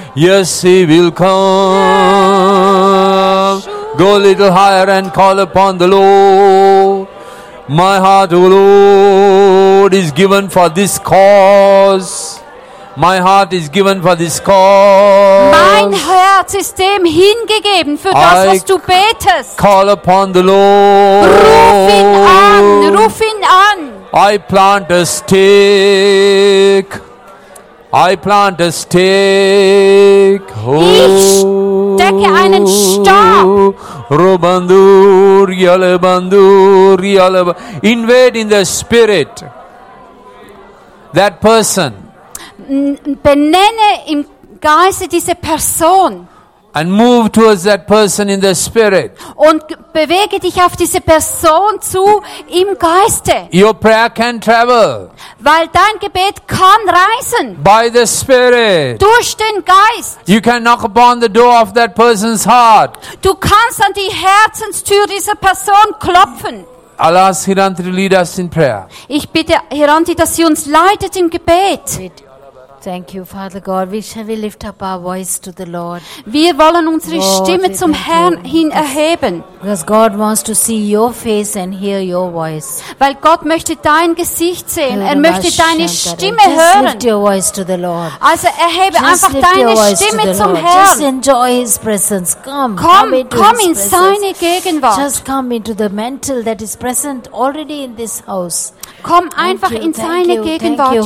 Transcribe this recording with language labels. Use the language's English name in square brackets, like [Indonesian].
[English] Yes, he will come. Go a little higher and call upon the Lord. My heart, O Lord, is given for this cause. My heart is given for this cause. [German] Mein Herz ist dem hingegeben für das, was du betest. [English] Call upon the Lord. [German] Ruf ihn an. [English] I plant a stake. Oh. [German] Ich stecke einen Stab. Rubandur, yalabandur, yalabandur. [English] Invade in the spirit. That person. [German] Benenne im Geiste diese Person. [English] And move towards that person in the spirit. [German] Und bewege dich auf diese Person zu im Geiste. [English] Your prayer can travel. [German] Weil dein Gebet kann reisen. [English] By the spirit. [German] Durch den Geist. [English] You can knock upon the door of that person's heart. [German] Du kannst an die Herzenstür dieser Person klopfen. [English] I'll ask Hiranti to lead us in prayer. [German] Ich bitte Hiranti, dass sie uns leitet im Gebet. [English] Thank you, Father God. We lift up our voice to the Lord. [German] Wir wollen unsere Stimme zum Herrn hin erheben. [English] Because God wants to see your face and hear your voice. [German] Weil Gott möchte dein Gesicht sehen. Er möchte deine Stimme hören. [English] Just lift your voice to the Lord. [German] Also erhebe einfach deine Stimme zum Herrn. [English] Just enjoy His presence. Come. Come [German] in seine Gegenwart. [English] Just come into the mantle that is present already in this house. [German] Komm einfach in seine Gegenwart jetzt.